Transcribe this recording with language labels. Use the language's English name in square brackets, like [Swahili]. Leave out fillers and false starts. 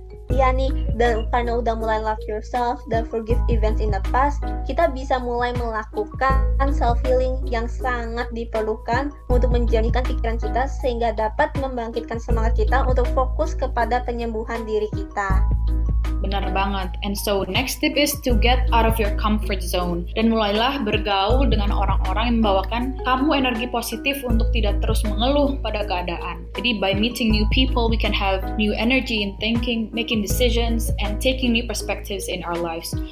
[Indonesian] Iya nih, dan karena udah mulai [English] love yourself [Indonesian] dan [English] forgive events in the past, [Indonesian] kita bisa mulai melakukan self-healing yang sangat diperlukan untuk menjernihkan pikiran kita sehingga dapat membangkitkan semangat kita untuk fokus kepada penyembuhan diri kita. Benar banget. [English] And so next tip is to get out of your comfort zone. [Indonesian] Dan mulailah bergaul dengan orang-orang yang membawakan kamu energi positif untuk tidak terus mengeluh pada keadaan. Jadi [English] by meeting new people, we can have new energy in thinking, making decisions, and taking new perspectives in our lives.